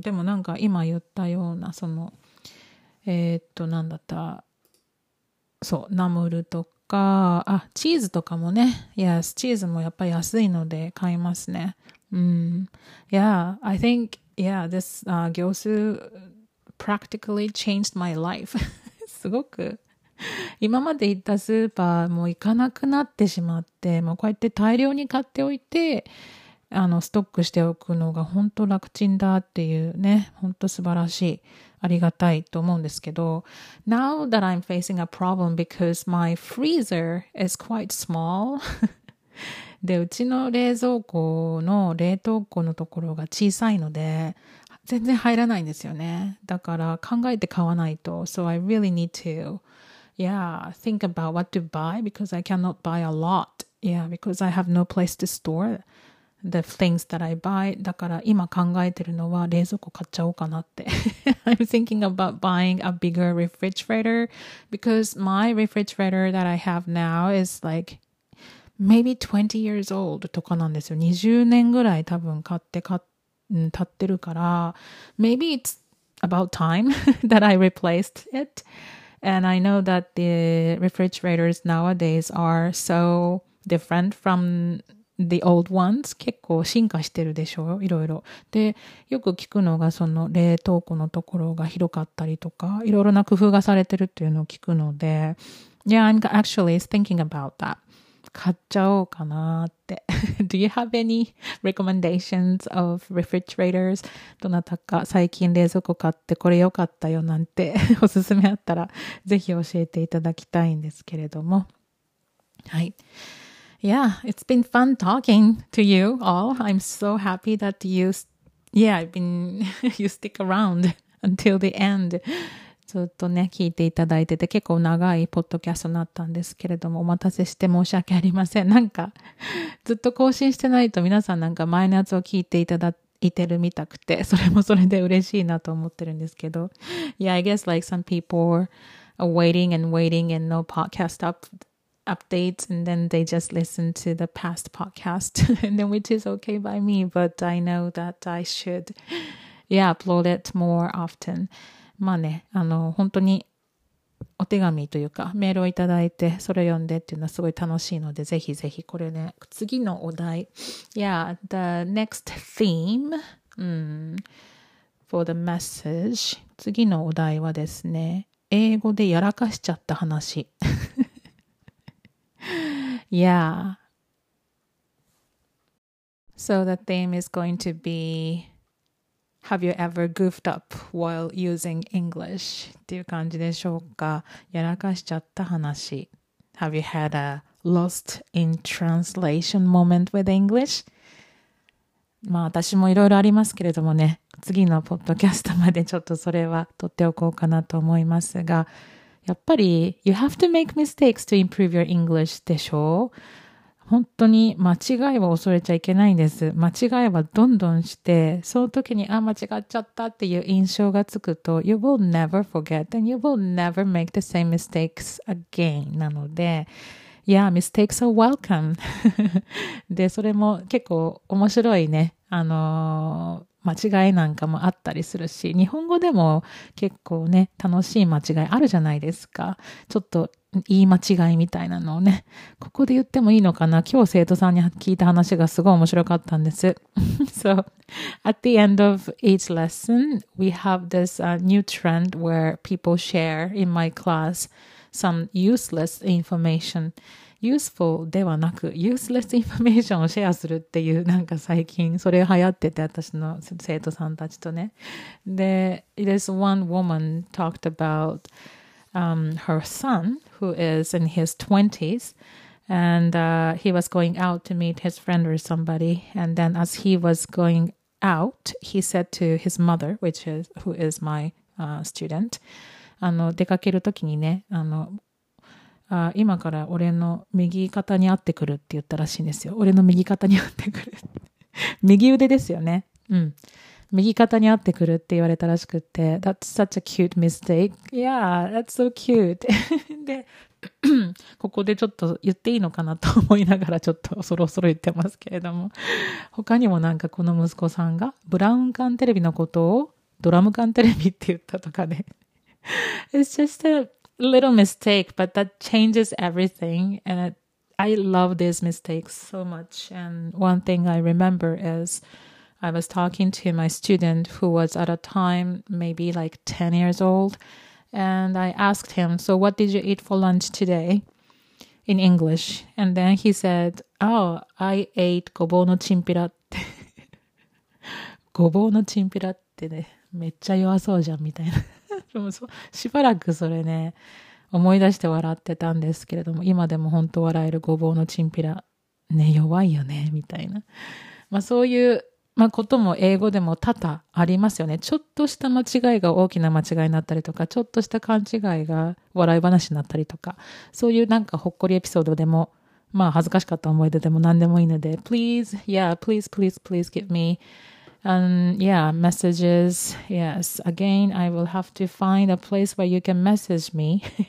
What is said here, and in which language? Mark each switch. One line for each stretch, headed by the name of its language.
Japanese: でもなんか今言ったようなその何だった？そう、ナムルとか。あ、チーズとかもね。 Yes, チーズもやっぱり安いので買いますね。
English: Yeah, I think yeah, this 業種 practically changed my life.
Japanese: すごく今まで行ったスーパーも行かなくなってしまって、もうこうやって大量に買っておいて、あのストックしておくのが本当楽ちんだっていうね、本当素晴らしい、ありがたいと思うんですけど、
English: Now that I'm facing a problem because my freezer is quite small.
Japanese: で、うちの冷蔵庫の冷凍庫のところが小さいので全然入らないんですよね。だから考えて買わないと。
English: So I really need to yeah, think about what to buy because I cannot buy a lot. Yeah, because I have no place to store the things that I buy.
Japanese: だから今考えてるのは冷蔵庫買っちゃおうかなって。
English: I'm thinking about buying a bigger refrigerator because my refrigerator that I have now is like maybe 20 years old
Japanese: とかなんですよ。 20年ぐらい多分買って経ってるから、
English: maybe it's about time that I replaced it. And I know that the refrigerators nowadays are so different from the old ones.
Japanese: 結構進化してるでしょ、いろいろ。で、よく聞くのがその冷凍庫のところが広かったりとか、いろいろな工夫がされてるっていうのを聞くので、
English: Yeah, I'm actually thinking about that.
Japanese: 買っちゃおうかなって
English: Do you have any recommendations of refrigerators?
Japanese: どなたか最近冷蔵庫買ってこれ良かったよなんておすすめあったらぜひ教えていただきたいんですけれども、はい。
English: Yeah, it's been fun talking to you all. I'm so happy that you, you stick around until the end.
Japanese: ずっとね、聞いていただいてて、結構長いポッドキャストになったんですけれども、お待たせして申し訳ありません。なんか、ずっと更新してないと皆さんなんか前のやつを聞いていただいてるみたくて、それもそれで嬉しいなと思ってるんですけど。
English: Yeah, I guess like some people are waiting and waiting and no podcast updates and then they just listen to the past podcast and then which is okay by me, but I know that I should yeah upload it more often.
Japanese: まあね、あの本当にお手紙というかメールをいただいてそれを読んでっていうのはすごい楽しいので、ぜひぜひこれね、次のお題
English: yeah the next theme、for the message.
Japanese: 次のお題はですね、英語でやらかしちゃった話。
English: Yeah. So the theme is going to be, have you ever goofed up while using English?
Japanese: っていう感じでしょうか。やらかしちゃった話。
English: Have you had a lost in translation moment with English?
Japanese: まあ私もいろいろありますけれどもね、次のポッドキャストまでちょっとそれは取っておこうかなと思いますが、やっぱり
English: You have to make mistakes to improve your English
Japanese: でしょう。本当に間違いは恐れちゃいけないんです。間違いはどんどんして、その時にあ間違っちゃったっていう印象がつくと
English: You will never forget and you will never make the same mistakes again.
Japanese: なので
English: Yeah, mistakes are welcome.
Japanese: で、それも結構面白いね。間違いなんかもあったりするし、日本語でも結構ね、楽しい間違いあるじゃないですか。ちょっと言い間違いみたいなのをね、ここで言ってもいいのかな。今日生徒さんに聞いた話がすごい面白かったんです。
English: So, at the end of each lesson, we have this、new trend where people share in my class some useless information.
Japanese: Useful ではなく useless information をシェアするっていう、なんか最近それ流行ってて、私の生徒さんたちとね。
English: で、this one woman talked about、her son who is in his 20s and、he was going out to meet his friend or somebody, and then as he was going out he said to his mother, which is who is my、student、
Japanese: 出かけるときにね、今から俺の右肩に会ってくるって言ったらしいんですよ。俺の右肩に会ってくる右腕ですよね、うん、右肩に会ってくるって言われたらしくて、
English: That's such a cute mistake. Yeah, that's so cute.
Japanese: で、ここでちょっと言っていいのかなと思いながらちょっとそろそろ言ってますけれども、他にもなんかこの息子さんがブラウン管テレビのことをドラム管テレビって言ったとかね。
English: It's just aLittle mistake, but that changes everything. And I love these mistakes so much. And one thing I remember is I was talking to my student who was at a time maybe like 10 years old. And I asked him, so what did you eat for lunch today in English? And then he said, oh, I ate
Japanese: ごぼうのチンピラって。ごぼうのチンピラってね、めっちゃ弱そうじゃんみたいな。しばらくそれね思い出して笑ってたんですけれども、今でも本当笑えるごぼうのチンピラね、弱いよねみたいな、まあ、そういう、まあ、ことも英語でも多々ありますよね。ちょっとした間違いが大きな間違いになったりとか、ちょっとした勘違いが笑い話になったりとか、そういうなんかほっこりエピソードでも、まあ恥ずかしかった思い出でも何でもいいので、
English: Please, yeah, please, please, please give meyeah, messages. Yes, again, I will have to find a place where you can message me.